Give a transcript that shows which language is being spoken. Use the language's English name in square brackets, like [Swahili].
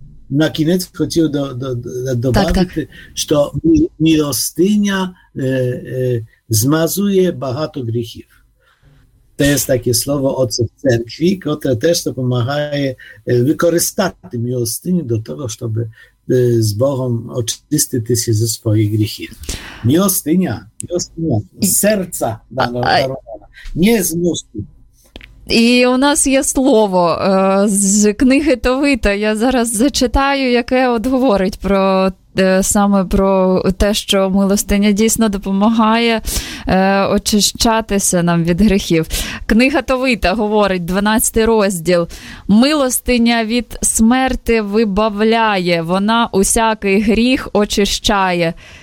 [Ukrainian] На кінець хотів додати, що милостиня змазує багато гріхів. [Polish] To jest takie słowo Ojca w cerkwi, które też pomagaje wykorzystać miłostynię do tego, żeby z Bogiem oczyścić się ze swoich grzechów. Miłostynia z serca darowana, nie z mózgu. [Ukrainian] І у нас є слово з книги Товита. Я зараз зачитаю, яке от говорить про саме про те, що милостиня дійсно допомагає очищатися нам від гріхів. Книга Товита говорить, 12 розділ. Милостиня від смерти вибавляє, вона усякий гріх очищає.